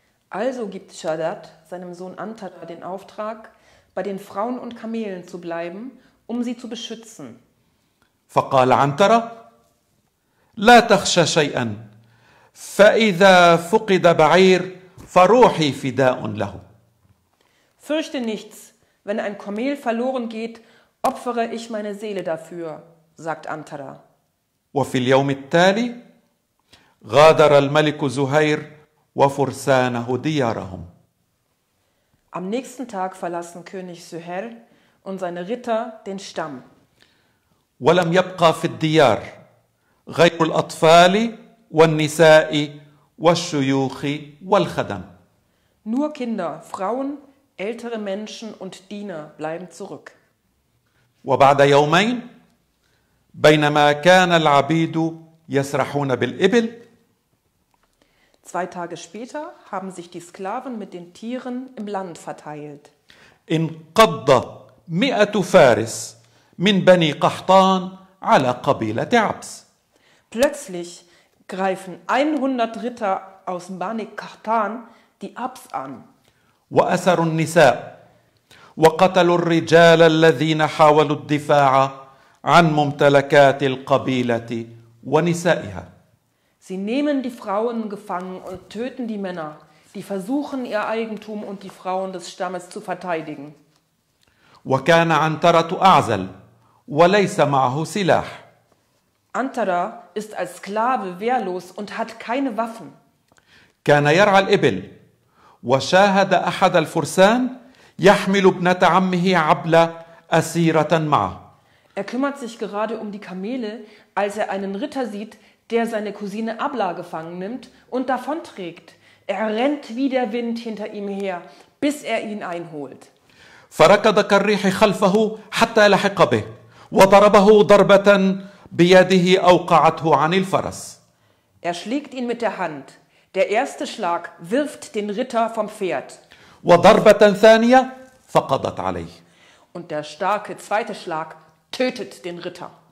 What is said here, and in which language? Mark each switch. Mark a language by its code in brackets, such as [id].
[de] Also gibt Shaddad seinem Sohn Antara den Auftrag, bei den Frauen und Kamelen zu bleiben, um sie zu beschützen. [ar] فقال عنترة لا تخشى شيئا فإذا فقد بعير فروحي فداء له. [de] Fürchte nichts, wenn ein Kamel verloren geht, opfere ich meine Seele dafür, sagt Antara. [ar] وفي اليوم التالي غادر الملك زهير وفرسانه ديارهم. [de] Am nächsten Tag verlassen König Zuhair und seine Ritter den Stamm. [ar] ولم يبقى في الديار غير الأطفال والنساء والشيوخ والخدم. [de] Nur Kinder, Frauen, ältere Menschen und Diener bleiben zurück. [ar] وبعد يومين بينما كان العبيد يسرحون بالإبل. [de] Zwei Tage später haben sich die Sklaven mit den Tieren im Land verteilt. [ar] انقض 100 فارس من بني قحطان على قبيلة عبس. [de] Plötzlich greifen 100 Ritter aus Bani Qahtan die Abs an. [ar] وأسروا النساء وقتلوا الرجال الذين حاولوا الدفاع عن ممتلكات القبيلة ونسائها. [de] Sie nehmen die Frauen gefangen und töten die Männer, die versuchen, ihr Eigentum und die Frauen des Stammes zu verteidigen. [ar] وكان عنترة أعزل وليس معه سلاح. [de] Antara ist als Sklave wehrlos und hat keine Waffen. [ar] كان يرعى الإبل وشاهد أحد الفرسان يحمل ابنة عمه عبلة أسيرة معه. [de] Er kümmert sich gerade um die Kamele, als er einen Ritter sieht, der seine Cousine Abla gefangen nimmt und davonträgt. Er rennt wie der Wind hinter ihm her, bis er ihn einholt. [ar] فركض كالريح خلفه حتى لحق به وضربه ضربة بيده أوقعته عن الفرس. [de] Er schlägt ihn mit der Hand. Der erste Schlag wirft den Ritter vom Pferd. [ar] وضربة ثانية فقضت عليه. [de] Und der starke zweite Schlag tötet den Ritter.